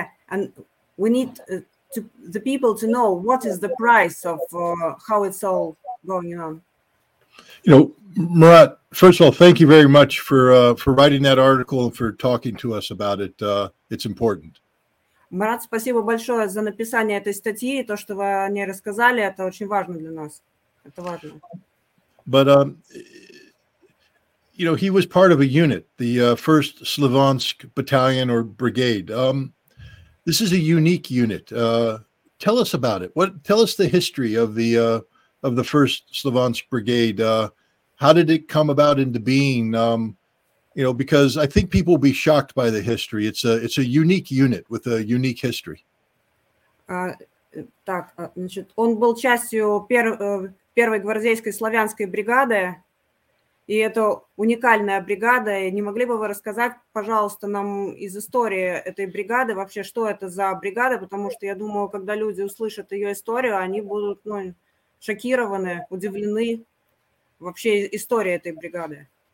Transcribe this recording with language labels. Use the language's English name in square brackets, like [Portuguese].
[English] And we need to the people to know what is the price of how it's all going on. You know, Murat, first of all, thank you very much for writing that article and for talking to us about it. It's important. [Russian] Murat, спасибо большое за написание этой статьи и то, что вы о ней рассказали. Это очень важно для нас. Это важно. [English] But, you know, he was part of a unit, the 1st Slavonsk Battalion or Brigade. This is a unique unit. Tell us about it. Tell us the history of the 1st Slavonsk Brigade. How did it come about into being? You know, because I think people will be shocked by the history. It's a unique unit with a unique history. [Russian] Так, значит, он был частью первой гвардейской славянской бригады, и это уникальная бригада. И не могли бы вы рассказать, пожалуйста, нам из истории этой бригады вообще, что это за бригада? Потому что я думаю, когда люди услышат ее историю, они будут шокированы, удивлены вообще историей этой бригады.